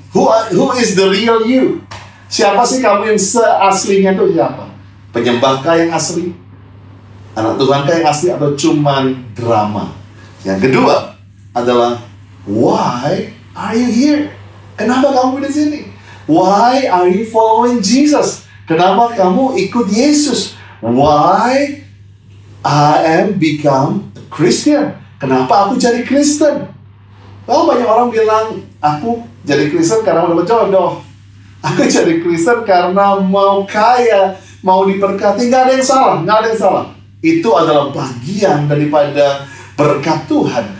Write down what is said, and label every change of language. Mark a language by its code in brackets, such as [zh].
[en] Who is the real you? [id] Siapa sih kamu yang seaslinya itu siapa? Penyembahkah yang asli? Anak Tuhankah yang asli atau cuman drama? Yang kedua adalah [en] why are you here? [id] Kenapa kamu di sini? [en] Why are you following Jesus? [id] Kenapa kamu ikut Yesus? [en] Why I am become Christian? [id] Kenapa aku jadi Kristen? Oh, banyak orang bilang aku jadi Kristen karena mau dapat jodoh. Aku jadi Kristen karena mau kaya, mau diberkati. Gak ada yang salah, gak ada yang salah. Itu adalah bagian daripada berkat Tuhan.